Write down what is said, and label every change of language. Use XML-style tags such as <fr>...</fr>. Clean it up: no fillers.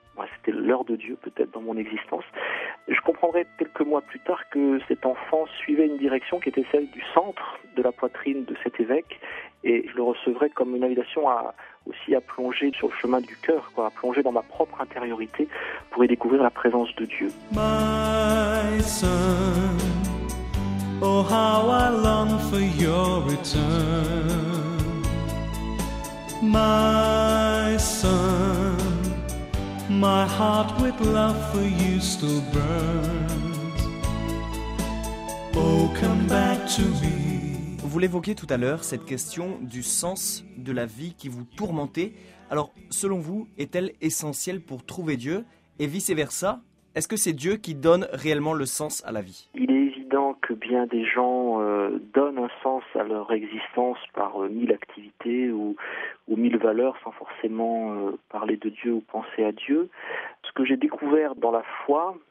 <fr>Moi, c'était l'heure de Dieu, peut-être, dans mon existence. Je comprendrai quelques mois plus tard que cet enfant suivait une direction qui était celle du centre de la poitrine de cet évêque. Et je le recevrai comme une invitation à plonger sur le chemin du cœur, quoi, à plonger dans ma propre intériorité pour y découvrir la présence de Dieu.</fr> <en>My son, oh how I long for your return. My son. My heart with love for you still burns. Oh, come back to me.</en> <fr>Vous l'évoquiez tout à l'heure, cette question du sens de la vie qui vous tourmentait. Alors, selon vous, est-elle essentielle pour trouver Dieu? Et vice-versa, est-ce que c'est Dieu qui donne réellement le sens à la vie? Il est évident que bien des gens donnent un sens à leur existence par mille activités ou mille valeurs sans forcément parler de Dieu ou penser à Dieu. Ce que j'ai découvert dans la foi,</fr>